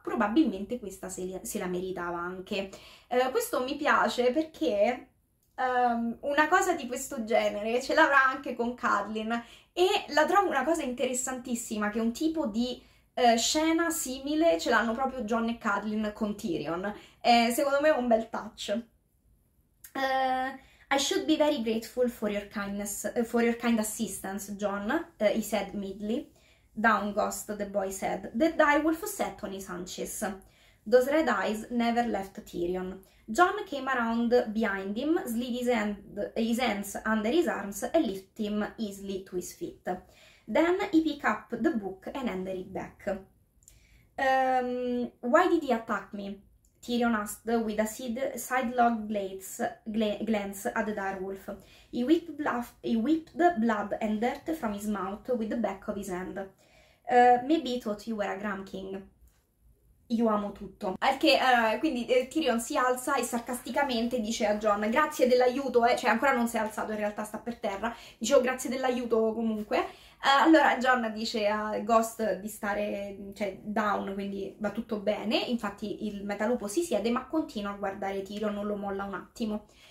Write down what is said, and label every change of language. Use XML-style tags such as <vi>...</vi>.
<it>Probabilmente questa se la meritava anche. Questo mi piace perché una cosa di questo genere ce l'avrà anche con Catelyn e la trovo una cosa interessantissima, che è un tipo di scena simile ce l'hanno proprio Jon e Catelyn con Tyrion. Secondo me è un bel touch.</it> <en>I should be very grateful for your kindness, for your kind assistance, Jon, he said meekly. Down, Ghost, the boy said. The direwolf sat on his haunches. Those red eyes never left Tyrion. Jon came around behind him, slid his hands under his arms and lifted him easily to his feet. Then he picked up the book and handed it back. Why did he attack me? Tyrion asked with a sidelong glance at the direwolf. He whipped blood and dirt from his mouth with the back of his hand. Maybe he thought you were a Grand King.</en> <it>Io amo tutto. Quindi Tyrion si alza e sarcasticamente dice a Jon: grazie dell'aiuto, cioè ancora non si è alzato, in realtà sta per terra. Dicevo grazie dell'aiuto comunque. Allora Jon dice a Ghost di stare, cioè, down, quindi va tutto bene. Infatti il metalupo si siede, ma continua a guardare Tyrion, non lo molla un attimo.</it>